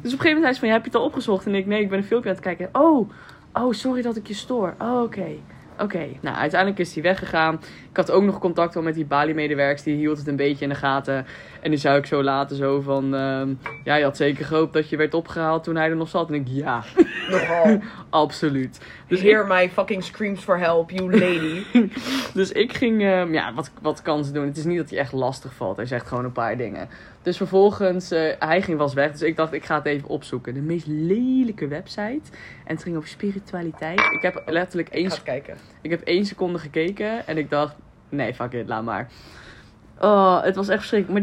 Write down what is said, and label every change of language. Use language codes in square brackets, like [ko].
[nl] Dus op een gegeven moment hij is van, ja, heb je het al opgezocht? En ik, nee, ik ben een filmpje aan het kijken. Oh, sorry dat ik je stoor. Oh, oké. Okay. Oké, okay, nou, uiteindelijk is hij weggegaan. Ik had ook nog contact al met die Bali-medewerkers. Die hield het een beetje in de gaten. En die zei ik zo later zo van... ja, je had zeker gehoopt dat je werd opgehaald toen hij er nog zat. En ik, ja. Nogal. Absoluut. [en] Dus hear my fucking screams for help, you lady. [nl] Dus ik ging... ja, wat kan ze doen? Het is niet dat hij echt lastig valt. Hij zegt gewoon een paar dingen. Dus vervolgens, hij ging was weg. Dus ik dacht, ik ga het even opzoeken. De meest lelijke website. En het ging over spiritualiteit. Ik heb letterlijk één... Ik ga kijken. Ik heb 1 seconde gekeken. En ik dacht, nee, fuck it, laat maar. Oh, het was echt verschrikkelijk.